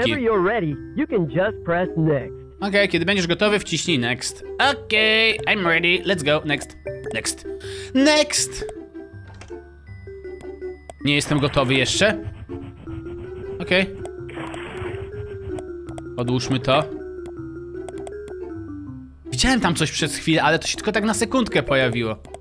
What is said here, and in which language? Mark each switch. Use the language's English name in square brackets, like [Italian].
[English] Whenever you're ready, you can just press next. [Polish] Okej, kiedy będziesz gotowy, wciśnij next. [English] Okej, I'm ready, let's go, next. Next. Next! [Polish] Nie jestem gotowy jeszcze. Okej. Odłóżmy to. Widziałem tam coś przez chwilę, ale to się tylko tak na sekundkę pojawiło.